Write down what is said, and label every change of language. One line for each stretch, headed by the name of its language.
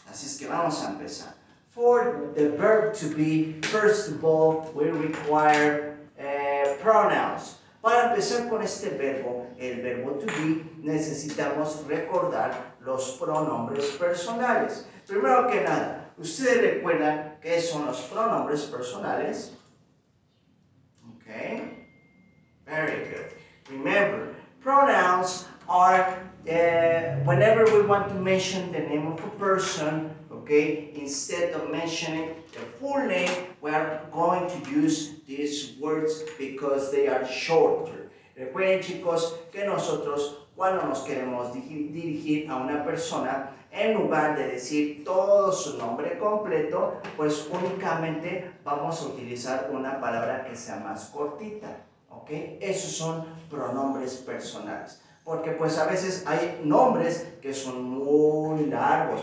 Spanish: Así es que vamos a empezar.
English: For the verb to be, first of all, we require pronouns.
Spanish: Para empezar con este verbo, el verbo to be, necesitamos recordar los pronombres personales. Primero que nada, ¿ustedes recuerdan qué son los pronombres personales?
English: Ok. Very good. Remember, pronouns are whenever we want to mention the name of a person, okay, instead of mentioning the full name, we are going to use these words because they are shorter.
Spanish: Recuerden, chicos, que nosotros cuando nos queremos dirigir a una persona, en lugar de decir todo su nombre completo, pues únicamente vamos a utilizar una palabra que sea más cortita, ¿ok? Esos son pronombres personales. Porque pues a veces hay nombres que son muy largos.